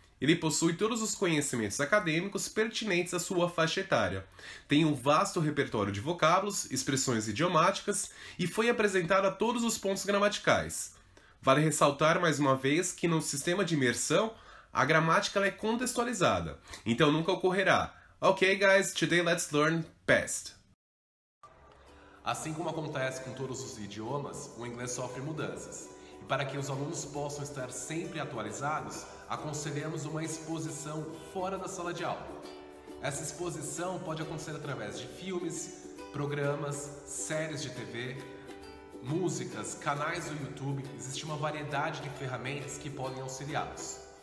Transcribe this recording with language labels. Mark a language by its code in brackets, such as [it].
[pt] Ele possui todos os conhecimentos acadêmicos pertinentes à sua faixa etária, tem um vasto repertório de vocábulos, expressões idiomáticas e foi apresentado a todos os pontos gramaticais. Vale ressaltar mais uma vez que no sistema de imersão, a gramática ela é contextualizada, então nunca ocorrerá. [en] Ok, guys, today let's learn past. [pt] Assim como acontece com todos os idiomas, o inglês sofre mudanças. E para que os alunos possam estar sempre atualizados, aconselhamos uma exposição fora da sala de aula. Essa exposição pode acontecer através de filmes, programas, séries de TV, músicas, canais do YouTube, existe uma variedade de ferramentas que podem auxiliá-los.